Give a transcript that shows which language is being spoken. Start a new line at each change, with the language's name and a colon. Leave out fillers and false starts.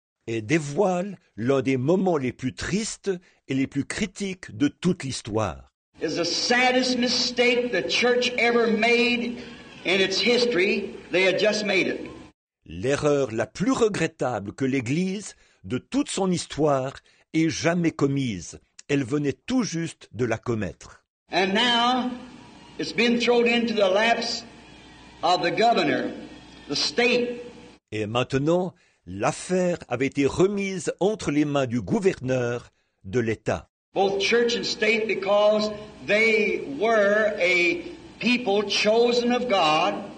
French: Et dévoile l'un des moments les plus tristes et les plus critiques de toute l'histoire.
English: It's the saddest mistake the church ever made in its history. They had just made it.
French: L'erreur la plus regrettable que l'Église, de toute son histoire, ait jamais commise. Elle venait tout juste de la commettre.
English: And now, it's been thrown into the laps of the governor, the state.
French: Et maintenant, l'affaire avait été remise entre les mains du gouverneur de l'État.
English: Both church and state, because they were a people chosen of God.